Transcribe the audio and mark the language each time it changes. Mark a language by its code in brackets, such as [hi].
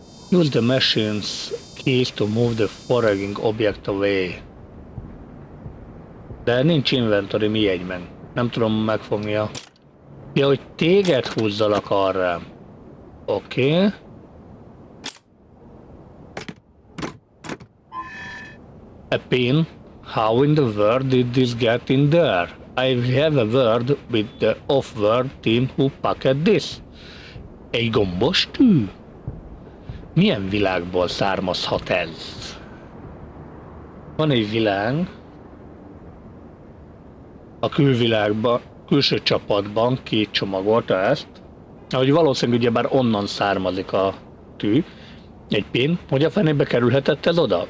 [en] Use the machine's keys to move the foraging object away. [hu] De nincs inventory, mi egyben. Nem tudom megfogni a... Ja, hogy téged húzzalak arra. Oké. A pin? [en] How in the world did this get in there? I have a word with the off-world team who packed this. [hu] Egy gombos tű? Milyen világból származhat ez? Van egy világ. A külvilágban, külső csapatban kicsomagolta ezt. Ahogy valószínűleg ugyebár onnan származik a tű. Egy pin, hogy a fenébe kerülhetett ez oda?